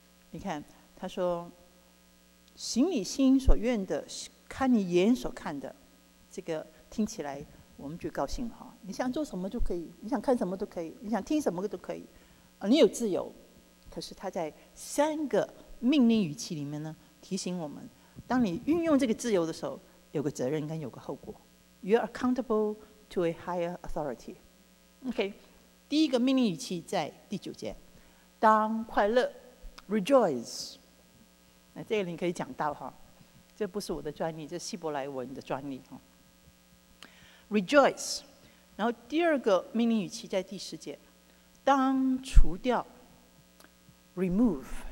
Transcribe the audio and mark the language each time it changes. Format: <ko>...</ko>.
<zh>你看，他说，行你心所愿的，看你眼所看的，这个听起来我们就高兴了，你想做什么都可以，你想看什么都可以，你想听什么都可以，你有自由。可是他在三个命令语气里面呢，提醒我们，当你运用这个自由的时候，有个责任跟有个后果。</zh> <en>You are accountable to a higher authority.</en> <zh>OK， 第一个命令语气在9，当快乐 ，rejoice。那这个你可以讲到哈，这不是我的专利，这是希伯来文的专利哈。</zh> <en>Rejoice。</en> <zh>然后第二个命令语气在10，当除掉 ，remove。</zh>